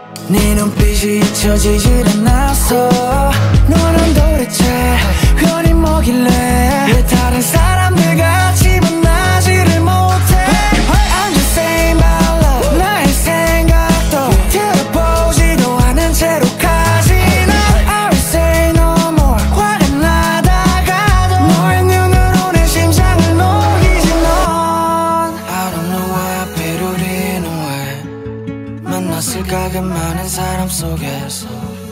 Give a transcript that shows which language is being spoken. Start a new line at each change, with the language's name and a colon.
Korean: 네 눈빛이 잊혀지질 않아서 너는 도대체 괜히 뭐길래 왜 다른 사람들 같이 만나지를 못해.
English: Hey, I'm just saying my love.
Korean: 나의 생각도 들어보지도 않은 채로 가지 나.
English: I will say no more.
Korean: 화가 나다가도 너의 눈으로 내 심장을 녹이지 넌.
English: I don't know why I paid all in a way.
Korean: 만났을까 그 많은 사람 속에서.